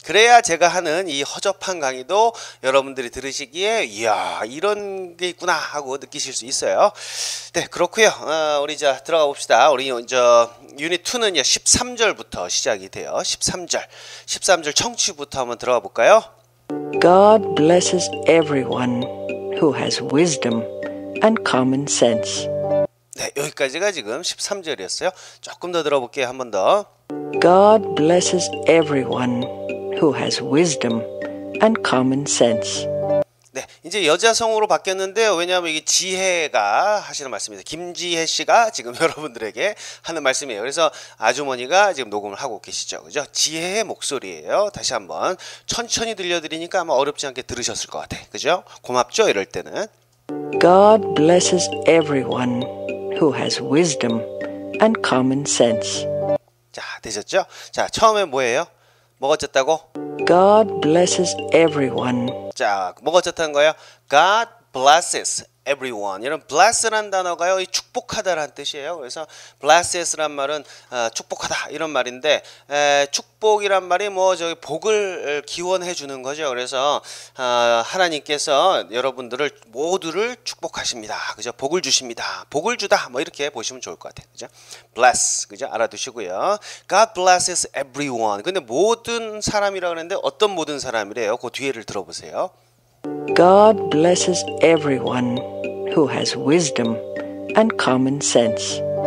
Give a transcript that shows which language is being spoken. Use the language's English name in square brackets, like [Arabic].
[Korean] 그래야 제가 하는 이 허접한 강의도 여러분들이 들으시기에 이야 이런 게 있구나 하고 느끼실 수 있어요. 네, 그렇고요. 우리 이제 들어가 봅시다. 우리 저 유닛2는요, 13절부터 시작이 돼요. 13절 청취부터 한번 들어가 볼까요? [English] God blesses everyone who has wisdom and common sense. [Korean] 네, 여기까지가 지금 13절이었어요. 조금 더 들어볼게요. 한번 더. [English] God blesses everyone who has wisdom and common sense. [Korean] 네, 이제 여자성으로 바뀌었는데요. 왜냐하면 이게 지혜가 하시는 말씀입니다. 김지혜 씨가 지금 여러분들에게 하는 말씀이에요. 그래서 아주머니가 지금 녹음을 하고 계시죠. 그죠? 지혜의 목소리예요. 다시 한번 천천히 들려드리니까 아마 어렵지 않게 들으셨을 것 같아. 그죠? 고맙죠? 이럴 때는. [English] God blesses everyone who has wisdom and common sense. [Korean] 자, 되셨죠? 자, 처음에 뭐예요? 뭐가 어쨌다고? [English] God blesses everyone. [Korean] 자, 뭐가 어쨌다는 거예요? [English] God blesses everyone. [Korean] 이런 bless란 단어가요, 이 축복하다라는 뜻이에요. 그래서 blesses란 말은 축복하다 이런 말인데, 축복이란 말이 뭐 저기 복을 기원해 주는 거죠. 그래서 하나님께서 여러분들을 모두를 축복하십니다. 그죠? 복을 주십니다. 복을 주다. 뭐 이렇게 보시면 좋을 것 같아요. 그죠? bless. 그죠? 알아두시고요. [English] God blesses everyone. [Korean] 근데 모든 사람이라고 하는데 어떤 모든 사람이래요? 그 뒤에를 들어보세요. [English] God blesses everyone who has wisdom and common sense.